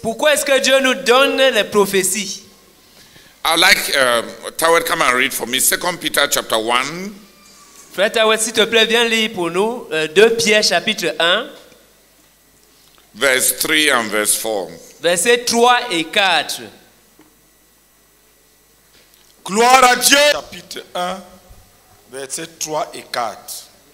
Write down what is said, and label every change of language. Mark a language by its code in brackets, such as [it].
[fr] Pourquoi est-ce que Dieu nous donne les prophéties? [en] I'd like Tawed, come and read for me 2 Peter chapter 1. [fr] Frère Tawed, s'il te plaît, viens lire pour nous 2 Pierre chapitre 1. [en] Verse 3 and verse 4. [fr] Versets 3 et 4. Gloire à Dieu. Chapitre 1, versets 3 et 4.